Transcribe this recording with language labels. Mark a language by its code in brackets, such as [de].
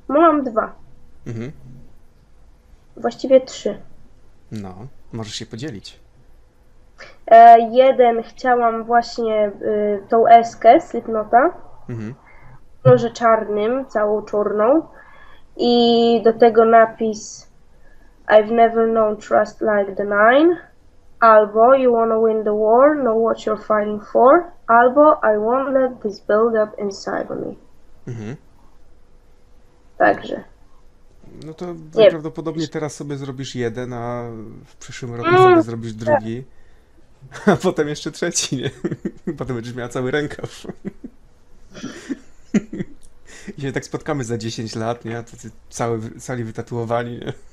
[pl] Mam dwa. Właściwie trzy. No, możesz się podzielić. Jeden chciałam właśnie tą eskę Slipknota. Może czarnym, całą czarną. I do tego napis [en] I've never known trust like the nine. Albo you wanna win the war, know what you're fighting for. Albo I won't let this build up inside of me. [pl] Także. No to nie. Prawdopodobnie teraz sobie zrobisz jeden, a w przyszłym roku sobie zrobisz drugi. A potem jeszcze trzeci, nie? Potem będziesz miała cały rękaw. I się tak spotkamy za 10 lat, nie? To ty cali wytatuowani, nie?